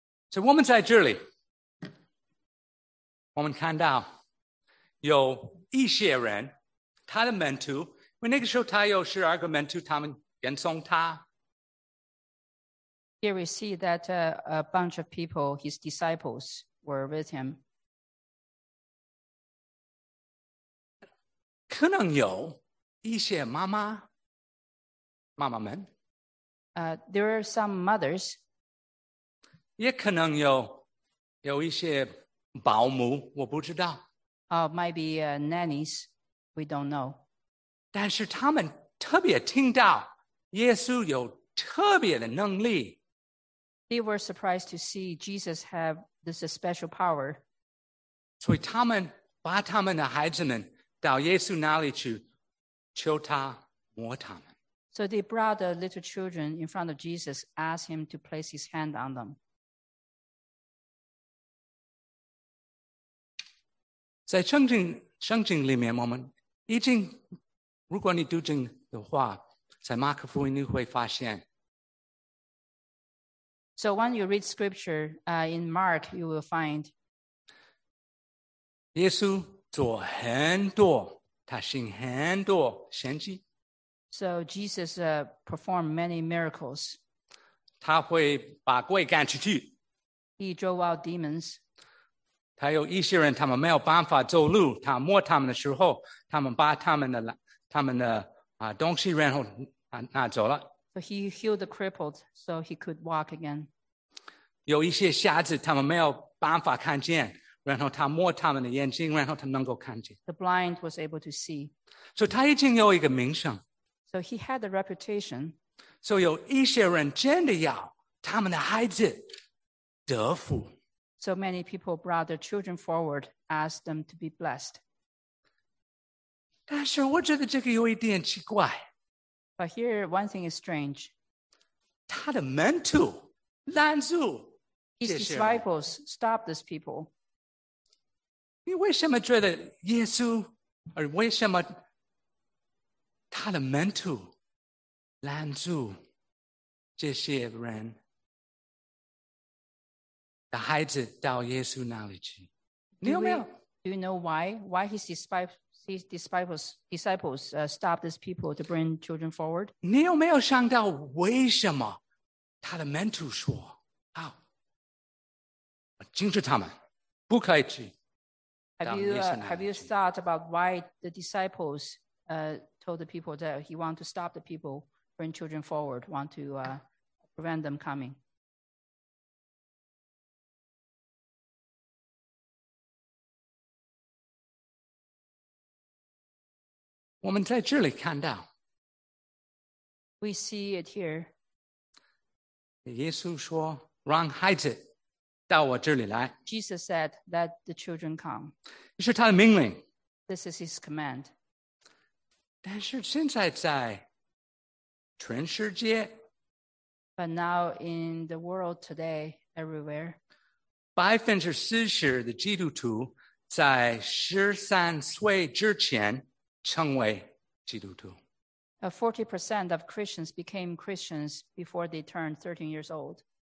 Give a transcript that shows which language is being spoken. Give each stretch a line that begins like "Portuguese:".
Chinese: 所以我们在这里，我们看到。有一些人他的门徒因为那个时候他有十二个门徒他们跟从他
English: Here we see that a bunch of people his disciples were with him
Chinese: 可能有一些妈妈们
English: There are some mothers
Chinese: 也可能有一些保姆我不知道
English: Maybe nannies, we don't know.
Chinese: 但是他们特别听到耶稣有特别的能力。
English: They were surprised to see Jesus have this special power.
Chinese: 所以他们把他们的孩子们到耶稣那里去求他摸他们。
English: So they brought the little children in front of Jesus, asked him to place his hand on them.
Chinese: 在圣经里面，我们已经，如果你读经的话，在马可福音你会发现。
English: So when you read scripture, in Mark, you will find.
Chinese: 耶稣做很多，他行很多神迹。
English: So Jesus performed many miracles.
Chinese: 他会把鬼赶出去。
English: He drove out demons.
Chinese: 他有一些人他们没有办法走路他摸他们的时候他们把他们的东西然后拿走了。
English: So he healed the crippled so he could walk again.
Chinese: 有一些瞎子他们没有办法看见然后他摸他们的眼睛然后他们能够看见。
English: The blind was able to see.
Chinese: So 他已经有一个名声。
English: So he had a reputation.
Chinese: So 有一些人真的要他们的孩子得福。
English: So many people brought their children forward, asked them to be blessed.
Chinese: 但是我觉得这个有一点奇怪。
English: But here, one thing is strange.
Chinese: 他的门徒拦住
English: His disciples stopped these people.
Chinese: 你为什么觉得耶稣，而为什么他的门徒拦住这些人的孩子到耶稣那里去？你有没有？
English: Do you know why his disciples stopped these people to bring children forward?
Chinese: 你有没有想到为什么他的门徒说，好，我禁止他们，不可以去。
English: Have you thought about why the disciples told the people that he want to stop the people, bring children forward, want to prevent them coming?
Chinese: 我们在这里看到
English: We see it here.
Chinese: 耶稣说让孩子到我这里来
English: Jesus said, let the children come.
Chinese: 这是他的命令
English: This is his command.
Chinese: 但是现在在全世界
English: But now in the world today, everywhere,
Chinese: 40%的基督徒在13岁之前成为基督徒。
English: 40% of Christians became Christians before they turned 13 years old.